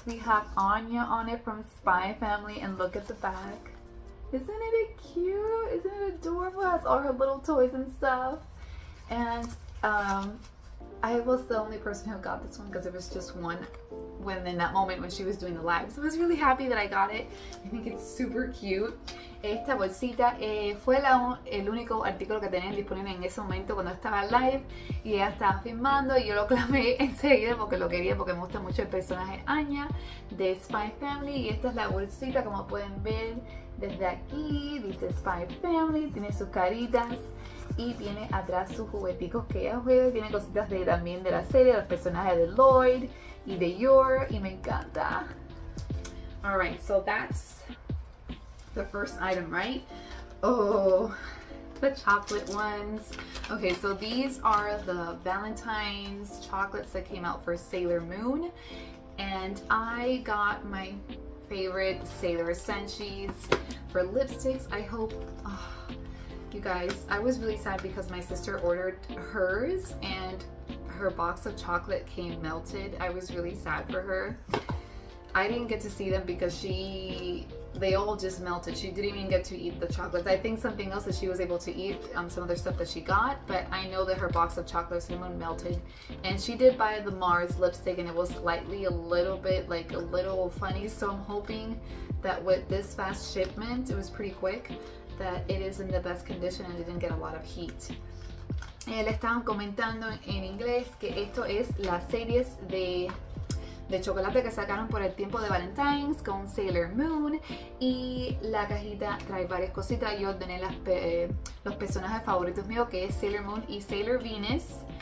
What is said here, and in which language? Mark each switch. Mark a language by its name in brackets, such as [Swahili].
[English] We have Anya on it from Spy Family, and look at the back. Isn't it cute? Isn't it adorable? It has all her little toys and stuff. And I was the only person who got this one, because it was just one when in that moment when she was doing the live. So I was really happy that I got it. I think it's super cute. [Spanish] Esta bolsita fue el único artículo que tenían disponible en ese momento cuando estaba live, y ella estaba filmando, y yo lo clamé enseguida porque lo quería, porque me gusta mucho el personaje Anya de Spy Family. Y esta es la bolsita, como pueden ver desde aquí, dice Spy Family, tiene sus caritas. Y tiene atrás sus jugueticos que ella juega. Tiene cositas de también de la serie, del personaje de Lloyd y de Yor. Y me encanta. [English] Alright, so that's the first item, right? Oh, the chocolate ones. Okay, so these are the Valentine's chocolates that came out for Sailor Moon. And I got my favorite Sailor Essentials for lipsticks. I hope, you guys, I was really sad because my sister ordered hers and her box of chocolate came melted. I was really sad for her. I didn't get to see them because they all just melted. She didn't even get to eat the chocolates. I think something else that she was able to eat, some other stuff that she got, but I know that her box of chocolates melted. And she did buy the Mars lipstick and it was slightly a little bit, like a little funny. So I'm hoping that with this fast shipment, it was pretty quick, that it is in the best condition and it didn't get a lot of heat. [Spanish] Le estaban comentando en inglés que esto es la series de chocolate que sacaron por el tiempo de Valentine's con Sailor Moon, y la cajita trae varias cositas. Yo ordené los personajes favoritos míos, que es Sailor Moon y Sailor Venus.